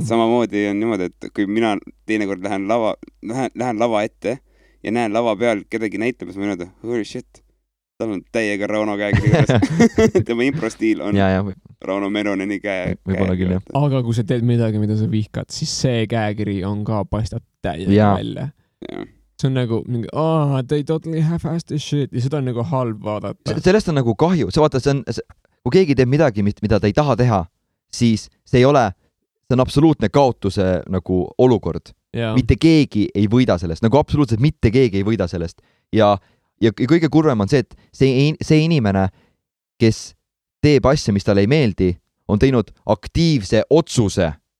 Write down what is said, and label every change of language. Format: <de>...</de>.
<et>Samamoodi on niimoodi, et kui mina teine kord lähen lava ette ja näen lava peal kedagi näitamas, ma ütlen,</et> <en>holy shit,</en> <et>ta on täiega Rauno käekiri. Tema improstiil on Rauno Meroneni käekiri. Aga kui sa teed midagi, mida sa vihkad, siis see käekiri on ka paistab täiega välja. See on nagu,</et> <en>they totally have asked this shit.</en> <et>Ja seda on nagu halb vaadata. Sellest on nagu kahju. See vaata, kui keegi teeb midagi, mida ta ei taha teha, siis see ei ole, see on absoluutne kaotuse nagu olukord.</et> <en>Yeah.</en> <et>Mitte keegi ei võida sellest. Nagu absoluutselt mitte keegi ei võida sellest. Ja kõige kurvem on see, et see inimene, kes teeb asja, mis tale ei meeldi, on teinud aktiivse otsuse.</et>